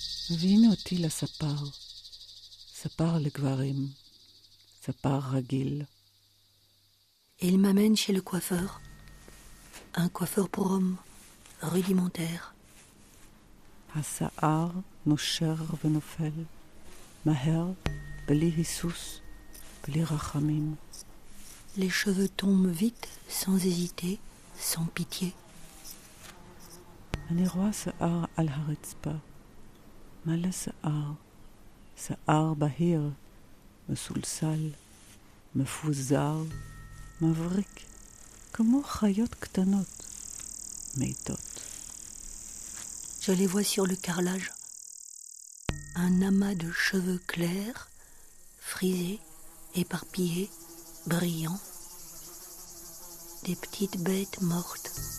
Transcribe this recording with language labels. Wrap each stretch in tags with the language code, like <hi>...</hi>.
<he>הביאים אותי לספר, ספר לגברים, ספר רגיל.</he> <fr>Il m'amène chez le coiffeur, un coiffeur pour homme, rudimentaire.</fr> <he>השיער נושר ונופל, מהר, בלי היסוס, בלי רחמים.</he> <fr>Les cheveux tombent vite, sans hésiter, sans pitié.</fr> <he>אני רואה שיער על הרצפה. מלא שיער, שיער בהיר, מסולסל, מפוזר, מבריק, כמו חיות קטנות, מיטות.</he> <fr>Je les vois sur le carrelage. Un amas de cheveux clairs, frisés, éparpillés, brillants. Des petites bêtes mortes.</fr>